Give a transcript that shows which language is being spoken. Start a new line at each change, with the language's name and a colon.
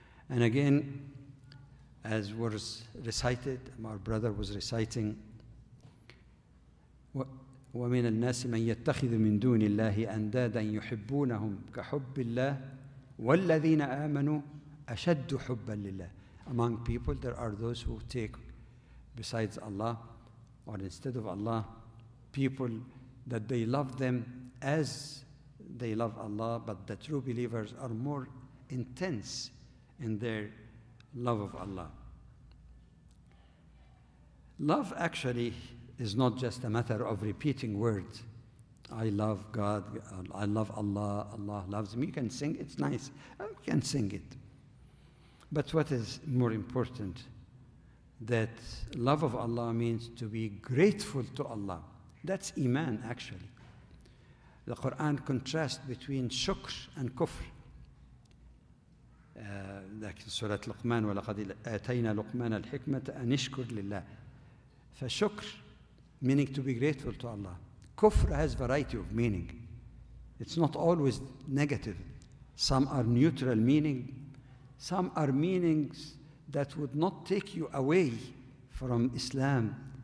English: And again, as was recited, our brother was reciting,
Arabic: ومن الناس من يتخذ من دون الله أندادا يحبونهم كحب الله والذين آمنوا أشد حبا لله.
English: Among people there are those who take besides Allah or instead of Allah people that they love them as they love Allah, but the true believers are more intense in their love of Allah. Love actually is not just a matter of repeating words. I love God, I love Allah, Allah loves me. You can sing, it's nice, you can sing it. But what is more important, that love of Allah means to be grateful to Allah. That's iman, actually. The Quran contrasts between shukr and kufr.
Arabic: لكن سورة لقمان ولقد آتينا لقمان الحكمة أن يشكر لله. فشكر
English: meaning to be grateful to Allah. Kufr has variety of meaning. It's not always negative. Some are neutral meaning. Some are meanings that would not take you away from Islam.